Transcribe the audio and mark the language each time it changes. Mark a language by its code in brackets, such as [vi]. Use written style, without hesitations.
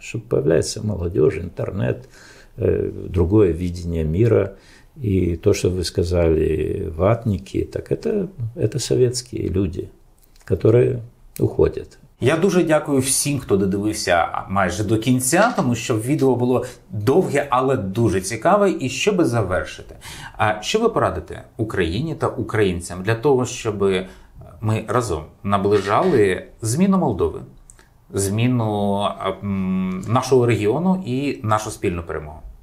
[uk] Тому що з'являється молодіж, інтернет, [ru] другое видение мира. И то, что вы сказали, ватники, так это советские люди, которые уходят. [uk] Я дуже дякую всім, хто додивився майже до кінця, тому що відео було довге, але дуже цікаве. І щоб завершити, а що ви порадите Україні та українцям для того, щоб ми разом наближали зміну Молдови, зміну нашого регіону і нашу спільну перемогу?